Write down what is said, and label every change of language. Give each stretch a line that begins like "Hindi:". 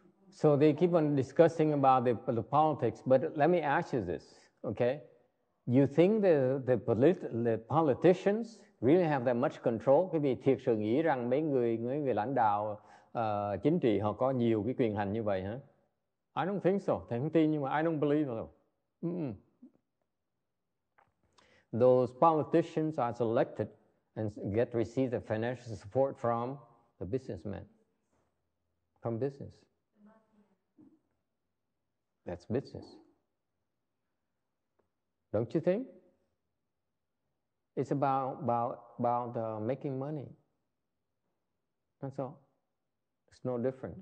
English: So they keep on discussing about the politics, but let me ask you this, okay? You think the politicians really have that much control?
Vietnamese: Quý vị thiệt sự nghĩ rằng mấy người lãnh đạo chính trị họ có nhiều cái quyền hành như vậy hả? Huh?
English: I don't think so.
Vietnamese: Thầy không tin, nhưng mà
English: I don't believe so. Those politicians are selected and receive the financial support from the businessmen, from business. That's business. Don't you think? It's about making money. That's all. It's no different.